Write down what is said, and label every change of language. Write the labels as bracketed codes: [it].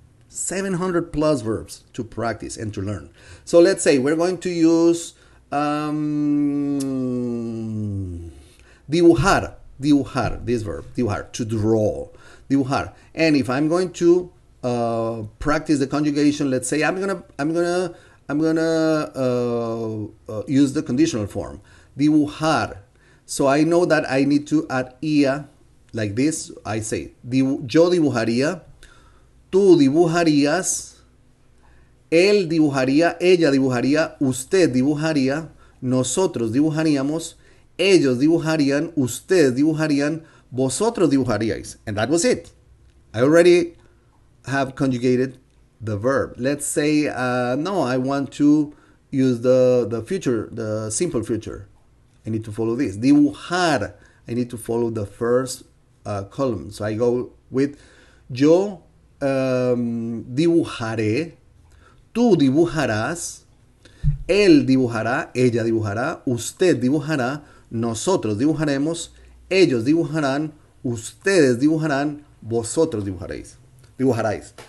[en] 700 plus verbs to practice and to learn. So let's say we're going to use dibujar, this verb, dibujar, to draw, dibujar. And if I'm going to practice the conjugation, let's say I'm gonna use the conditional form, dibujar. So I know that I need to add ia like this. I say, [es] yo dibujaría, tú dibujarías, él dibujaría, ella dibujaría, usted dibujaría, nosotros dibujaríamos, ellos dibujarían, ustedes dibujarían, vosotros dibujaríais. [en] And that was it. I already have conjugated the verb. Let's say, I want to use the future, the simple future. I need to follow this. Dibujar. I need to follow the first column. So I go with [es] yo dibujaré, tú dibujarás, él dibujará, ella dibujará, usted dibujará, nosotros dibujaremos, ellos dibujarán, ustedes dibujarán, vosotros dibujaréis. Dibujaréis.